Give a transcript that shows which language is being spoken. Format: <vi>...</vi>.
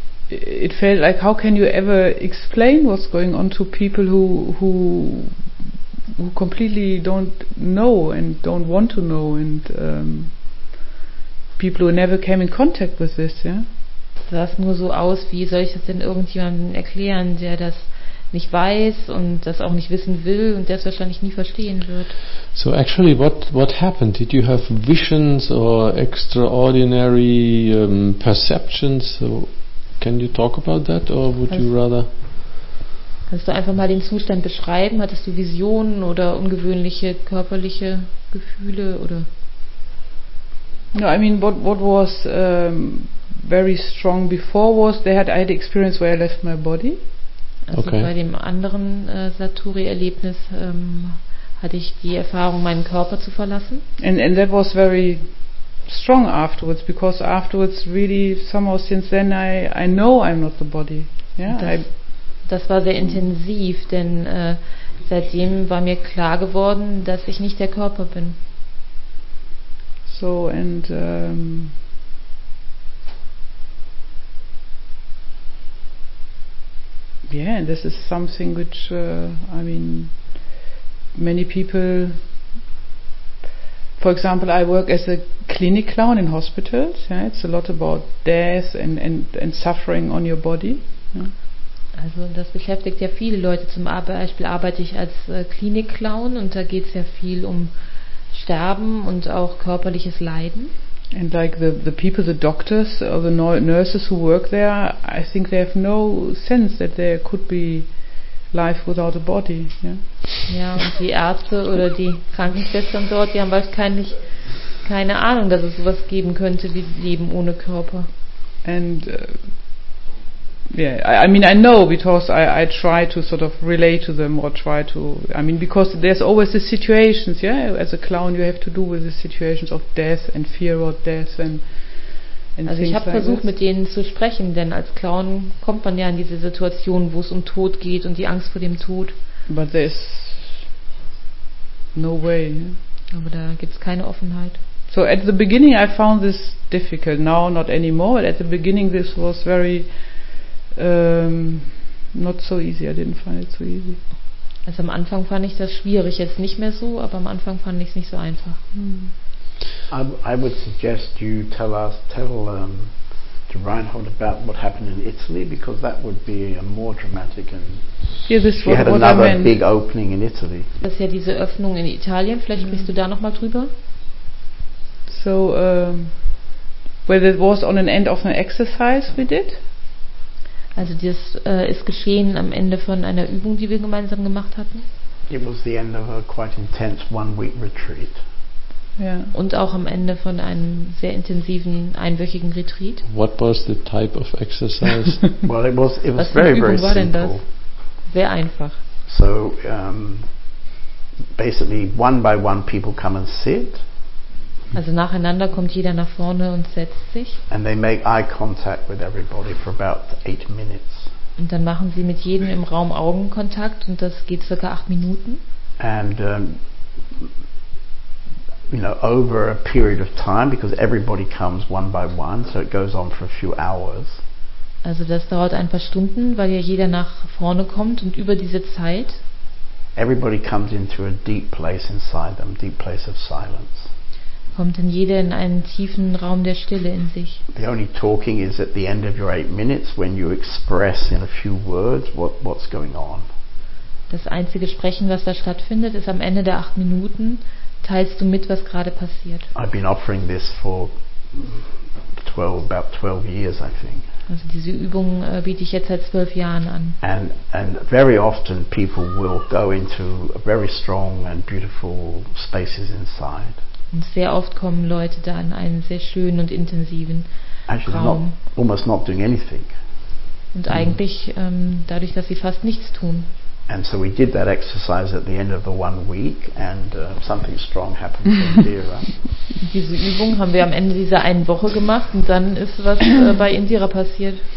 <en>It felt like, how can you ever explain what's going on to people who completely don't know and don't want to know, and people who never came in contact with this, yeah?</en> <de>Sah es nur so aus, wie soll ich das denn irgendjemandem erklären, der das nicht weiß und das auch nicht wissen will und der es wahrscheinlich nie verstehen wird.</de> <en>So actually, what happened? Did you have visions or extraordinary perceptions? So Can you talk about that or would you rather?</en> <de>Kannst du einfach mal den Zustand beschreiben? Hattest du Visionen oder ungewöhnliche körperliche Gefühle oder?</de> <en>No, I mean what was very strong before was they had I had experience where I left my body.</en> <de>Also okay. Bei dem anderen Saturi-Erlebnis hatte ich die Erfahrung, meinen Körper zu verlassen.</de> <en>And that was very strong afterwards, because afterwards really somehow since then I know I'm not the body. Yeah.</en> <de>Das war sehr intensiv, denn seitdem war mir klar geworden, dass ich nicht der Körper bin.</de> <en>So and yeah, this is something which I mean many people, for example, I work as a clinic clown in hospitals, yeah, it's a lot about death and suffering on your body. Yeah.</en> <de>Also das beschäftigt ja viele Leute, zum Beispiel arbeite ich als Klinik Clown und da geht es ja viel um Sterben und auch körperliches Leiden.</de> <en>And like the people, the doctors or the nurses who work there, I think they have no sense that there could be life without a body. Yeah.</en> <de>Ja, und die Ärzte oder die Krankenschwestern dort, die haben wahrscheinlich keine Ahnung, dass es sowas geben könnte wie Leben ohne Körper.</de> <en>And yeah, I mean, I know because I try to sort of relate to them or try to. I mean, because there's always the situations. Yeah, as a clown, you have to do with the situations of death and fear of death and things like that.</en> <de>Also, ich habe versucht, mit denen zu sprechen, denn als Clown kommt man ja in diese Situation, wo es um Tod geht und die Angst vor dem Tod.</de> <en>But there's no way. Yeah?</en> <de>Aber da gibt's keine Offenheit.</de> <en>So at the beginning, I found this difficult. Now, not anymore. But at the beginning, this was very not so easy. I didn't find it so easy.</en> <de>Also am Anfang fand ich das schwierig, jetzt nicht mehr so, aber am Anfang fand ich es nicht so einfach.</de> <en>I would suggest you tell to Reinhold about what happened in Italy, because that would be a more dramatic and big opening in Italy.</en> <de>Das ist ja diese Öffnung in Italien, vielleicht sprichst du da noch mal drüber.</de> <en>So it was on an end of an exercise we did.</en> <de>Also das ist geschehen am Ende von einer Übung, die wir gemeinsam gemacht hatten.</de> <en>It was the end of a quite intense one-week retreat.</en> <de>Ja. Und auch am Ende von einem sehr intensiven einwöchigen Retreat.</de> <en>What was the type of exercise? Well, it was very, very simple.</en> <de>Was für eine Übung war denn das? Sehr einfach.</de> <en>So, basically one by one people come and sit.</en> <de>Also nacheinander kommt jeder nach vorne und setzt sich.</de> <en>And they make eye contact with everybody for about 8 minutes.</en> <de>Und dann machen sie mit jedem im Raum Augenkontakt und das geht circa 8 Minuten.</de> <en>And you know, over a period of time, because everybody comes one by one, so it goes on for a few hours.</en> <de>Also das dauert ein paar Stunden, weil ja jeder nach vorne kommt und über diese Zeit.</de> <en>Everybody comes into a deep place inside them, deep place of silence.</en> <de>Kommt dann jeder in einen tiefen Raum der Stille in sich.</de> <en>The only talking is at the end of your 8 minutes when you express in a few words what's going on.</en> <de>Das einzige Sprechen, was da stattfindet, ist am Ende der 8 Minuten, teilst du mit, was gerade passiert.</de> <en>I've been offering this for about 12 years, I think.</en> <de>Also diese Übung biete ich jetzt seit 12 Jahren an.</de> <en>And very often people will go into a very strong and beautiful spaces inside.</en> <de>Und sehr oft kommen Leute da in einen sehr schönen und intensiven</de> <en>Actually</en> <de>Raum.</de> <en>Almost not doing anything.</en> <de>Und eigentlich dadurch, dass sie fast nichts tun.</de> <en>And so we did that exercise at the end of the 1 week and something strong happened to Indira.</en> <de>Diese Übung haben wir am Ende dieser einen Woche gemacht und dann ist was bei Indira passiert.</de>